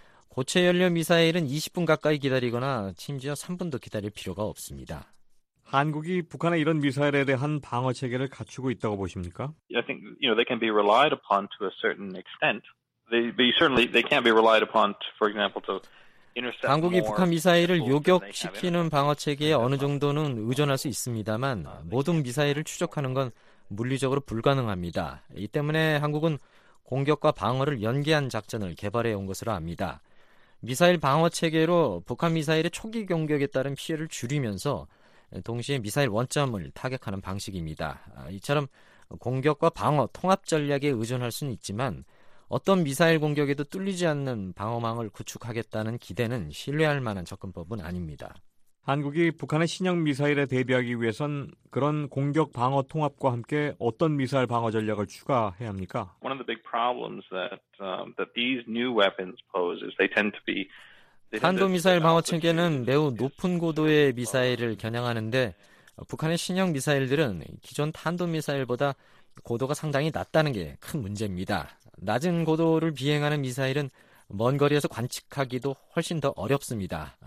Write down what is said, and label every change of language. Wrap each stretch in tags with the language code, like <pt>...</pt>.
<ko>고체 연료 미사일은 20분 가까이 기다리거나 심지어 3분도 기다릴 필요가 없습니다. 한국이 북한의 이런 미사일에 대한 방어 체계를 갖추고 있다고 보십니까?</ko> <en>I think you know they can be relied upon to a certain extent. They certainly can't be relied upon, for example, to</en> <ko>한국이 북한 미사일을 요격시키는 방어체계에 어느 정도는 의존할 수 있습니다만 모든 미사일을 추적하는 건 물리적으로 불가능합니다. 이 때문에 한국은 공격과 방어를 연계한 작전을 개발해 온 것으로 압니다. 미사일 방어체계로 북한 미사일의 초기 공격에 따른 피해를 줄이면서 동시에 미사일 원점을 타격하는 방식입니다. 이처럼 공격과 방어 통합 전략에 의존할 수는 있지만 어떤 미사일 공격에도 뚫리지 않는 방어망을 구축하겠다는 기대는 신뢰할 만한 접근법은 아닙니다. 한국이 북한의 신형 미사일에 대비하기 위해선 그런 공격 방어 통합과 함께 어떤 미사일 방어 전략을 추가해야 합니까?</ko> <en>One of the big problems that these new weapons pose is they tend to be</en> <ko>탄도미사일 방어 체계는 매우 높은 고도의 미사일을 겨냥하는데 북한의 신형 미사일들은 기존 탄도미사일보다 고도가 상당히 낮다는 게 큰 문제입니다. 낮은 고도를 비행하는 미사일은 먼 거리에서 관측하기도 훨씬 더 어렵습니다.</ko>